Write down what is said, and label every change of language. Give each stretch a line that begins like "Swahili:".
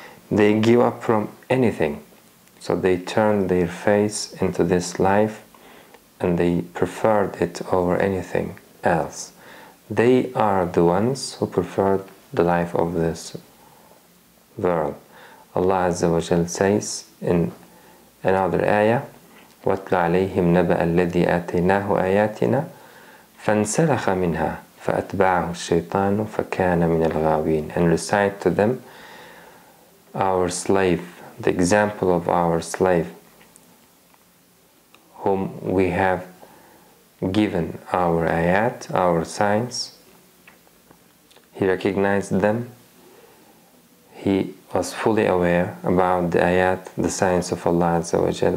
English: They give up from anything. So they turned their face into this life and they preferred it over anything else. They are the ones who preferred the life of this world. Allah azza wa jal says in another ayah,
Arabic: وَاتْلَ عَلَيْهِمْ نَبَأَ الَّذِي آتَيْنَاهُ آيَاتِنَا فَانْسَلَخَ مِنْهَا فَأَتْبَعَهُ الشَّيْطَانُ فَكَانَ مِنَ الْغَاوِينَ.
English: And recite to them our slave, the example of our slave, whom we have given our ayat, our signs. He recognized them. He was fully aware about the ayat, the signs of Allah Azza wa Jalla.